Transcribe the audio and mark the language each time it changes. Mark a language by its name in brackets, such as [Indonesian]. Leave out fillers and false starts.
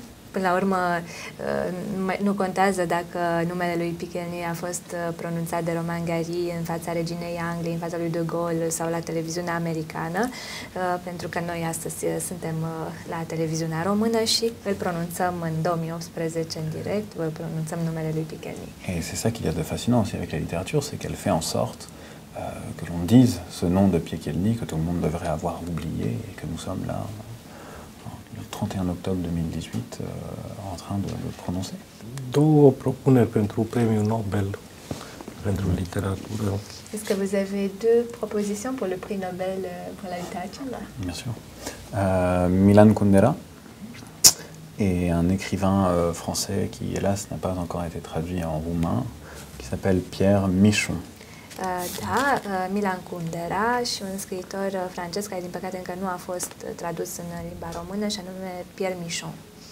[Romanian] Până la urmă, nu contează dacă numele lui Piekielny a fost pronunțat de Romain Gary în fața reginei Angliei, în fața lui de Gaulle sau la televiziunea americană, pentru că noi astăzi suntem la televiziunea română și îl pronunțăm în 2018 în direct, îl pronunțăm numele lui Piekielny. [French] Et c'est ça qu'il y a de fascinant aussi avec la littérature, c'est qu'elle fait en sorte que l'on dise ce nom de Piekielny que tout le monde devrait avoir oublié et que nous sommes là. În train de prononcer. [Romanian] Două propuneri pentru premiul Nobel pentru literatură. [French] Est-ce que vous avez deux propositions pour le prix Nobel pour la littérature? Bien sûr. Milan Kundera et un écrivain français qui hélas n'a pas encore été traduit en roumain qui s'appelle Pierre Michon. [Romanian] Da, Milan Kundera și un scriitor francez care, din păcate, încă nu a fost tradus în limba română, și anume Pierre Michon.